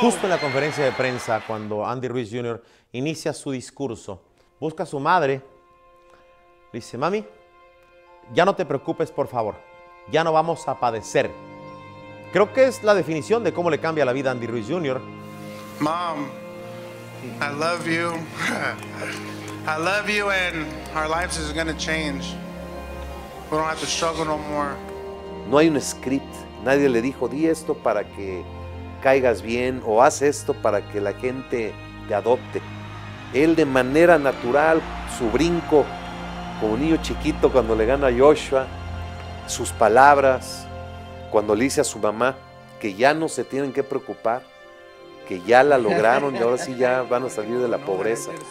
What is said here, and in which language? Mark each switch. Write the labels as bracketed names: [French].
[Spanish] Justo en la conferencia de prensa, cuando Andy Ruiz Jr. inicia su discurso, busca a su madre, le dice: mami, ya no te preocupes, por favor, ya no vamos a padecer. Creo que es la definición de cómo le cambia la vida a Andy Ruiz Jr. [English] Mom, I love you. I love you and our lives is going to change. We don't have to struggle no more. [Spanish] No hay un script. Nadie le dijo, di esto para que caigas bien o haz esto para que la gente te adopte. Él de manera natural, su brinco como niño chiquito cuando le gana a Joshua, sus palabras, cuando le dice a su mamá que ya no se tienen que preocupar, que ya la lograron y ahora sí ya van a salir de la pobreza.